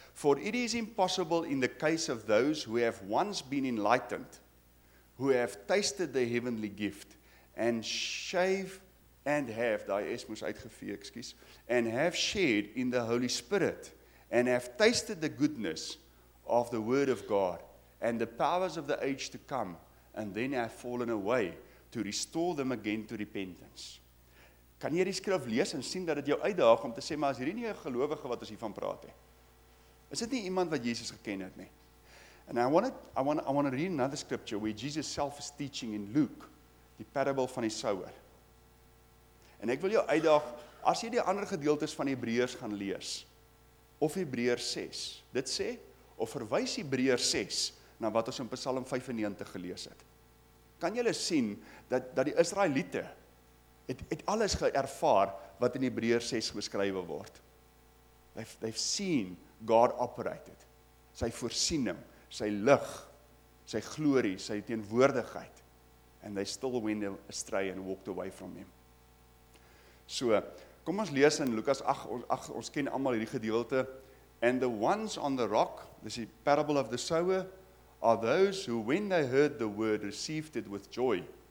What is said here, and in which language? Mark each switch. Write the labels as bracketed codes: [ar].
[en] For it is impossible in the case of those who have once been enlightened, who have tasted the heavenly gift, and have shared in the Holy Spirit, and have tasted the goodness of the Word of God, and the powers of the age to come, and then have fallen away, to restore them again to repentance. [af] Kan jy die skrif lees en sien dat dit jou uitdaag om te sê, maar is hierdie nie 'n gelowige wat ons hiervan praat nie? Is dit nie iemand wat Jesus geken het nie? [en] And I want to read another scripture where Jesus self is teaching in Luke, die parable van die sower. [af] En ek wil jou uitdaag, as jy die ander gedeeltes van Hebreërs gaan lees, of Hebreërs 6, dit sê, of verwys Hebreërs 6 na wat ons in Psalm 95 gelees het. Kan jy sien dat die Israeliete het alles geervaar wat in Hebreërs 6 beskrywe word. [en] They've seen God operated. [af] Sy voorsiening, sy lig, sy glorie, sy teenwoordigheid. [en] And they still went astray and walked away from Him. [af] So, kom ons lees in Lukas 8, ons ken allemaal hierdie gedeelte. [en] And the ones on the rock, this is the parable of the sower, are those who when they heard the word received it with joy.